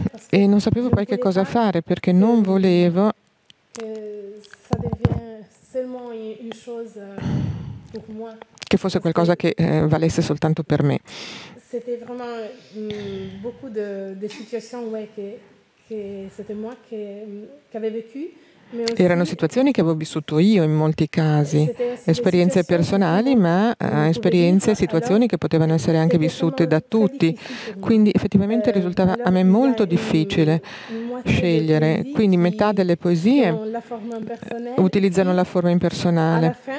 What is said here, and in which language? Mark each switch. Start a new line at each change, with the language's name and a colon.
Italian: E non sapevo poi che cosa fare, perché non volevo che fosse qualcosa che valesse soltanto per me.
French: C'était vraiment beaucoup de situations ouais, que c'était moi qui avais vécu.
Italian: Erano situazioni che avevo vissuto io in molti casi, esperienze personali, ma esperienze e situazioni che potevano essere anche vissute da tutti. Quindi effettivamente risultava a me molto difficile scegliere. Quindi metà delle poesie utilizzano la forma impersonale.